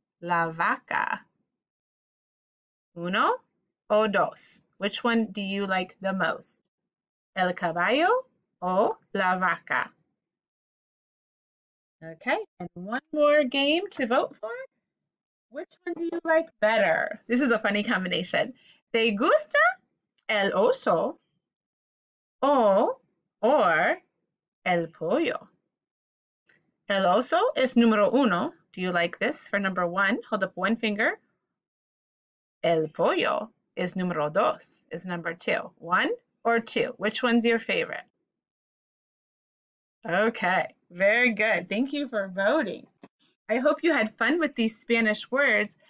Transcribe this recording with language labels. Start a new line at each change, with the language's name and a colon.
Spanish: La vaca. Uno o dos.
English: Which one do you like the most?
Spanish: El caballo o la vaca?
English: Okay, and one more game to vote for. Which one do you like better? This is a funny combination.
Spanish: ¿Te gusta el oso or el pollo? El oso es número uno.
English: Do you like this for number one? Hold up one finger.
Spanish: El pollo es número dos,
English: is number two. One or two? Which one's your favorite? Okay, very good. Thank you for voting. I hope you had fun with these Spanish words.